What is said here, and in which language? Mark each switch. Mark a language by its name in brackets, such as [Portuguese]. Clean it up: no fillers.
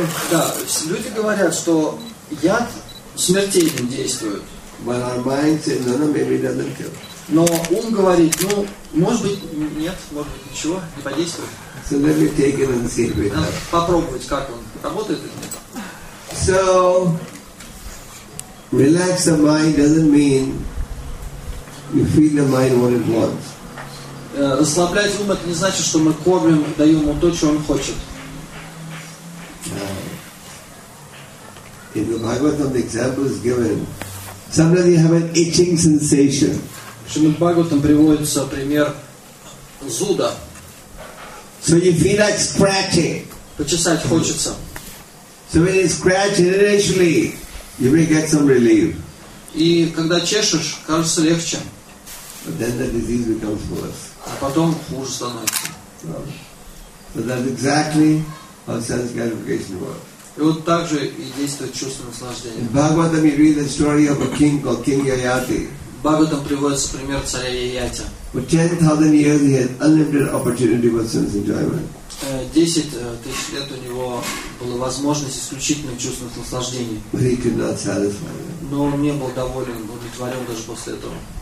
[Russian] Да, люди говорят, что яд смертельно действует. [English] But our mind says, no, no, maybe it doesn't kill. [Russian] Но ум говорит, ну, может быть, нет, может быть, ничего, не подействует. [English] So let me take it and see if it does. [Russian] Попробовать, как он работает или нет. [English] So, relax the mind doesn't mean you feed the mind what it wants. [Russian] Расслаблять ум — это не значит, что мы кормим, даем ему то, чего он хочет. [English] In the Bhagavatam, the example is given. Sometimes you have an itching sensation. [Russian] В Шримад Бхагаватам приводится пример зуда. [English] So you feel like scratching. [Russian] Почесать хочется. [English] So when you scratch initially, you may get some relief. [Russian] И когда чешешь, кажется легче. [English] But then the disease becomes worse. [Russian] А потом хуже становится. [English] So that's exactly how sense gratification works. [Russian] И вот так же и действует чувство наслаждения. [English] In Bhagavatam, you read the story of a king called King Yayati. [Russian] В Бхагаватам приводится пример царя Яяти. [English] For 10,000 years, he had unlimited opportunity for sense enjoyment. [Russian] 10,000 лет у него была возможность исключительно чувствовать наслаждение. [English] But he could not satisfy it. [Russian] Но он не был доволен, удовлетворен даже после этого.